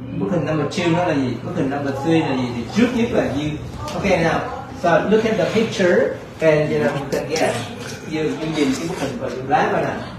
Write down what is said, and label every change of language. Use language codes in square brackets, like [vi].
[vi] Bức hình number 2 nó là gì? Bức hình number 3 là gì? Thì trước nhất là you. [en] Ok now, so look at the picture and you know, you can guess. [vi] You nhìn cái bức hình và you lái vào nào.